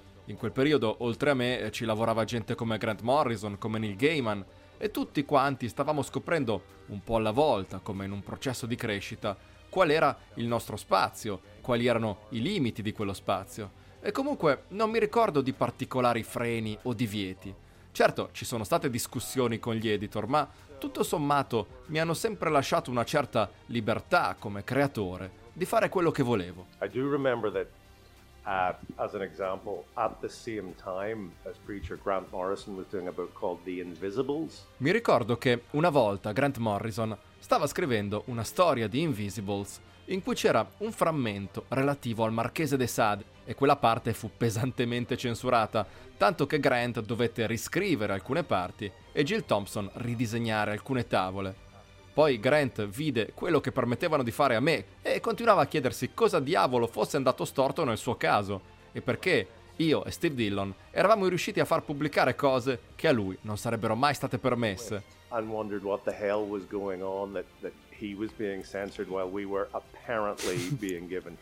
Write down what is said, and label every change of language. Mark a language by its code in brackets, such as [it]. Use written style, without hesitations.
[it] In quel periodo, oltre a me, ci lavorava gente come Grant Morrison, come Neil Gaiman, e tutti quanti stavamo scoprendo, un po' alla volta, come in un processo di crescita, qual era il nostro spazio, quali erano i limiti di quello spazio. E comunque non mi ricordo di particolari freni o divieti. Certo, ci sono state discussioni con gli editor, ma tutto sommato mi hanno sempre lasciato una certa libertà come creatore di fare quello che volevo. [en] I do remember that, as an example, at the same time as Preacher, Grant Morrison was doing a book called The Invisibles. [it] Mi ricordo che una volta Grant Morrison stava scrivendo una storia di Invisibles in cui c'era un frammento relativo al Marchese de Sade, e quella parte fu pesantemente censurata, tanto che Grant dovette riscrivere alcune parti e Jill Thompson ridisegnare alcune tavole. Poi Grant vide quello che permettevano di fare a me e continuava a chiedersi cosa diavolo fosse andato storto nel suo caso e perché io e Steve Dillon eravamo riusciti a far pubblicare cose che a lui non sarebbero mai state permesse. [en] And wondered what the hell was going on that he was being censored while we were apparently being given.